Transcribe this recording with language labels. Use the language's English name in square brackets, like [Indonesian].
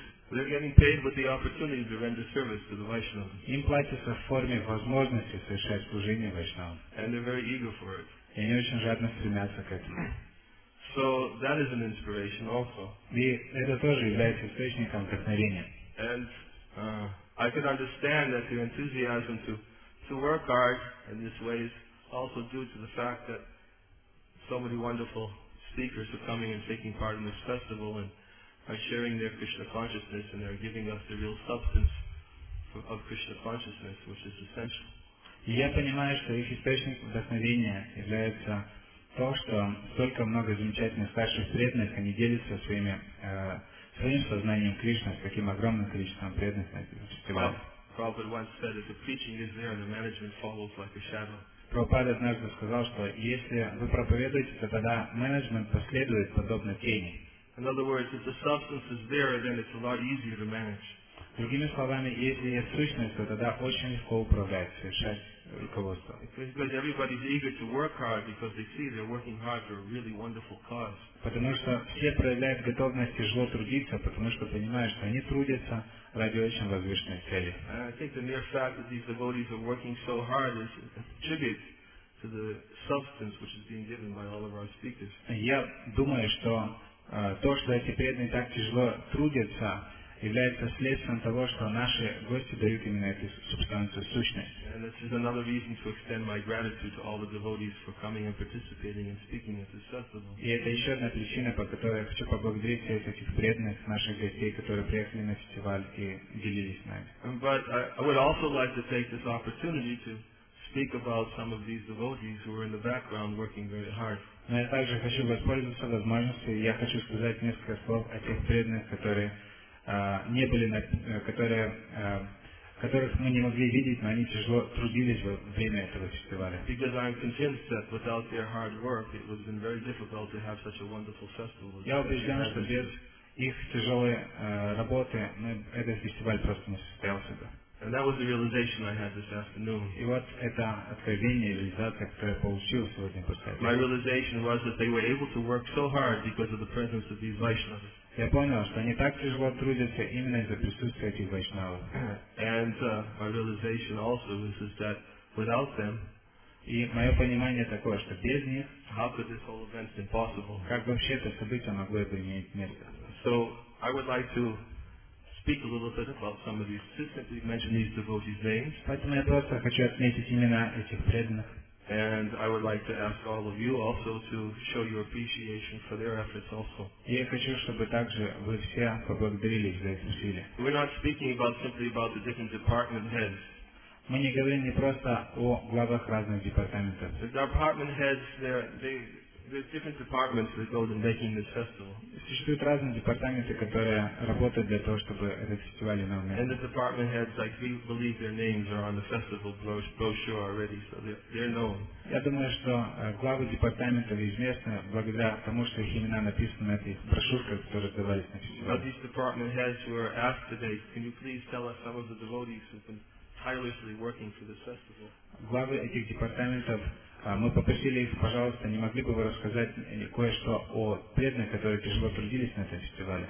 [English] They're getting paid with the opportunity to render service to the Vaishnavas. [Russian] Им платится в форме возможности совершать служение Вайшнавам. [English] And they're very eager for it. [Russian] И они очень жадно стремятся к этому. [English] So that is an inspiration also. [Russian] И это тоже является источником вдохновения. [English] And I could understand that their enthusiasm to work hard in this way is also due to the fact that so many wonderful speakers are coming and taking part in this festival and are sharing their Krishna consciousness and they're giving us the real substance of Krishna consciousness, which is essential. [Russian] И я понимаю, что их источник вдохновения является то, что столько много замечательных старших преданных, они делятся своими своим сознанием Кришны, с таким огромным количеством преданных на этом фестивале. [English] Prabhupada once said, if the preaching is there, the management follows like a shadow. [Russian] Prabhupada однажды сказал, что если вы проповедуете, то тогда менеджмент последует подобно тени. [English] In other words, if the substance is there, then it's a lot easier to manage. [Russian] Другими словами, если есть сущность, то тогда очень легко управлять, совершать руководство. [English] Because everybody's eager to work hard because they see they're working hard for a really wonderful cause. [Russian] Потому что все проявляют готовность тяжело трудиться, потому что понимают, что они трудятся ради очень возвышенной цели. [English] I think the mere fact that these devotees are working so hard is a tribute to the substance which is being given by all of our speakers. [Russian] Я думаю, что то, что эти преданные так тяжело трудятся, является следствием того, что наши гости дают именно эту субстанцию сущность. [English] And this is another reason to extend my gratitude to all the devotees for coming and participating and speaking at this festival. [Russian] И это еще одна причина, по которой я хочу поблагодарить всех этих преданных наших гостей, которые приехали на фестиваль и делились с нами. [English] But I would also like to take this opportunity to speak about some of these devotees who are in the background working very hard. [Russian] Но я также хочу воспользоваться возможностью, и я хочу сказать несколько слов о тех преданных, которые не были на, которые, которых мы не могли видеть, но они тяжело трудились во время этого фестиваля. [English] Because I'm convinced that without their hard work, it would have been very difficult to have such a wonderful festival. [Russian] Я убежден, что без их тяжелой работы мы, этот фестиваль просто не состоялся бы. [English] And that was the realization I had this afternoon. [Russian] И вот это откровение, реализация, которое я получил сегодня после этого. [English] My realization was that they were able to work so hard because of the presence of these Vaishnavas. [Russian] Я понял, что они так тяжело трудятся именно из-за присутствия этих вайшнавов. [English] And my realization also is that without them, [Russian] и мое понимание такое, что без них, [English] how could this whole event be possible? [Russian] Как вообще это событие могло бы иметь место? [English] So I would like to speak a little bit about some of these, just simply mention these devotees' names. [Russian] Поэтому я просто хочу отметить имена этих преданных. [English] And I would like to ask all of you also to show your appreciation for their efforts also. [Russian] Я хочу, чтобы также вы все поблагодарили за их усилия. [English] We're not speaking about simply about the different department heads. [Russian] Мы не говорим не просто о главах разных департаментов. [English] The department heads, there's different departments that go to making this festival. [Russian] Существуют разные департаменты, которые работают для того, чтобы этот фестиваль имел место. [English] And the department heads, like we believe their names are on the festival brochure already, so they're known. [Russian] Я думаю, что главы департаментов известны благодаря тому, что их имена написаны на этих брошюрках, которые давались на фестиваль. [English] But these department heads were asked today, can you please tell us some of the devotees who've been tirelessly working for this festival? [Russian] Главы этих департаментов, мы попросили их, пожалуйста, не могли бы вы рассказать кое-что о преданных, которые тяжело трудились на этом фестивале.